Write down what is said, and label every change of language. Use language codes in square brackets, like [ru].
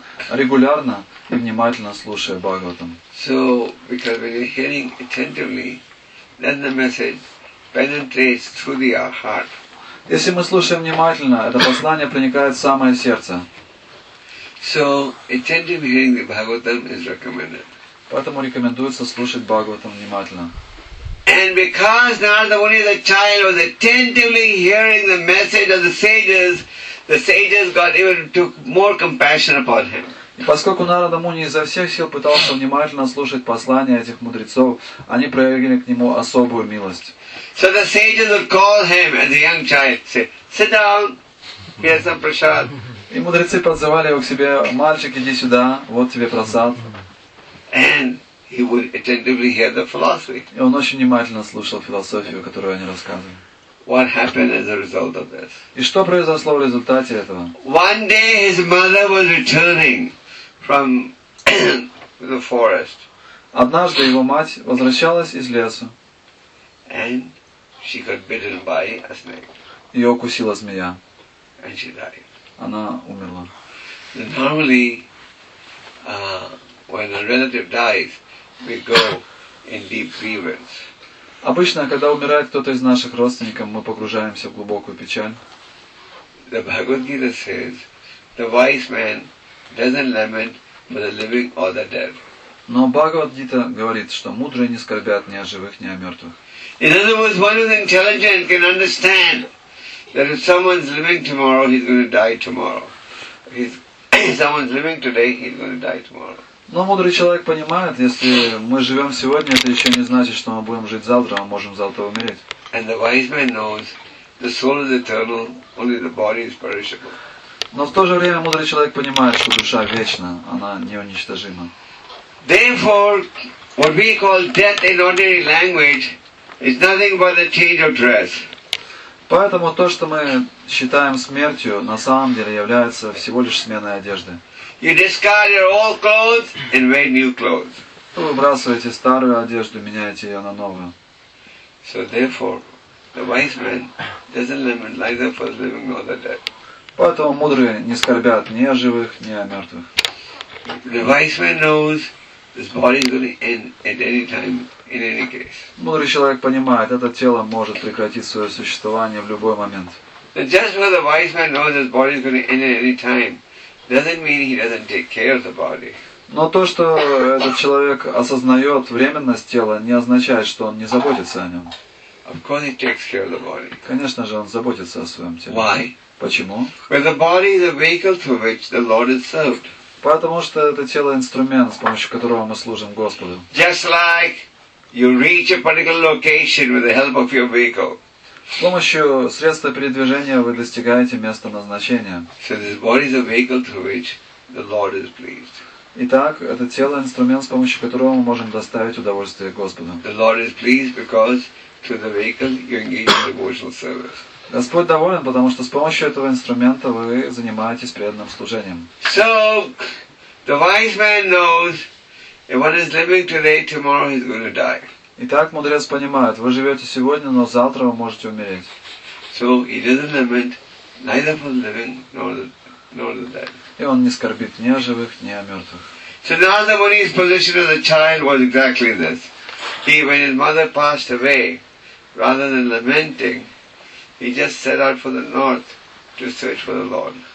[ru] Регулярно и внимательно слушая Бхагаватам. [en] So, because when you're hearing attentively, then the message penetrates through your heart. [ru] Если мы слушаем внимательно, это послание проникает в самое сердце. [en] So, attentive hearing the Bhagavatam is recommended. [ru] Поэтому рекомендуется слушать Бхагаватам внимательно. [en] And because Narada Muni the child was attentively hearing the message of the sages got even took more compassion upon him. [ru] И поскольку Нарада Муни изо всех сил пытался внимательно слушать послания этих мудрецов, они проявили к нему особую милость. [en] So the sages would call him as a young child, say, sit down, here's some prasad. [ru] И мудрецы подзывали его к себе, мальчик, иди сюда, вот тебе прасад. [en] He would attentively hear the philosophy. [ru] И он очень внимательно слушал философию, которую они рассказывали. [en] What happened as a result of this? [ru] И что произошло в результате этого? [en] One day his mother was returning from the forest. [ru] Однажды его мать возвращалась из леса. [en] And she got bitten by a snake. [ru] Ее укусила змея. [en] And she died. [ru] Она умерла. [en] normally, when a relative dies, we go in deep grievance. [ru] Обычно, когда умирает кто-то из наших родственников, мы погружаемся в глубокую печаль. [en] The Bhagavad Gita says, the wise man doesn't lament for the living or the dead. [ru] Но Бхагавад Гита говорит, что мудрые не скорбят ни о живых, ни о мертвых. [en] In other words, one who is intelligent can understand that if someone's living tomorrow, he's going to die tomorrow. If someone's living today, he's going to die tomorrow. [ru] Но мудрый человек понимает, если мы живем сегодня, это еще не значит, что мы будем жить завтра, мы можем завтра умереть. [en] And the wise man knows the soul is eternal, only the body is perishable. [ru] Но в то же время мудрый человек понимает, что душа вечна, она неуничтожима. [en] Therefore, what we call death in ordinary language is nothing but a change of dress. [ru] Поэтому то, что мы считаем смертью, на самом деле является всего лишь сменой одежды. [en] You discard your old clothes and wear new clothes. [ru] Вы выбрасываете старую одежду, меняете ее на новую. [en] So therefore, the wise man doesn't lament neither for the living nor the dead. [ru] Поэтому мудрые не скорбят ни о живых, ни о мертвых. [en] The wise man knows this body is going to end at any time, in any case. [ru] Мудрый человек понимает, это тело может прекратить свое существование в любой момент. [en] And just because the wise man knows his body is going to end at any time, doesn't mean he doesn't take care of the body. [ru] Но то, что этот человек осознает временность тела, не означает, что он не заботится о нем. [en] Of course he takes care of the body. [ru] Конечно же, он заботится о своем теле. [en] Why? [ru] Почему? [en] Because the body is a vehicle through which the Lord is served. [ru] Потому что это тело инструмент, с помощью которого мы служим Господу. [en] Just like you reach a particular location with the help of your vehicle. [ru] С помощью средства передвижения вы достигаете места назначения. [en] So this body is a vehicle through which the Lord is pleased. [ru] Итак, это тело инструмент, с помощью которого мы можем доставить удовольствие Господу. [en] The Lord is pleased because through the vehicle you engage in devotional service. [ru] Господь доволен, потому что с помощью этого инструмента вы занимаетесь преданным служением. [en] So, the wise man knows if one is living today, tomorrow he's going to die. [ru] Итак, мудрец понимает, вы живете сегодня, но завтра вы можете умереть. [en] So, he doesn't lament neither for the living nor the dead. [ru] И он не скорбит ни о живых, ни о мертвых. [en] So, Narada Muni's position as a child was exactly this. He, when his mother passed away, rather than lamenting, he just set out for the north to search for the Lord.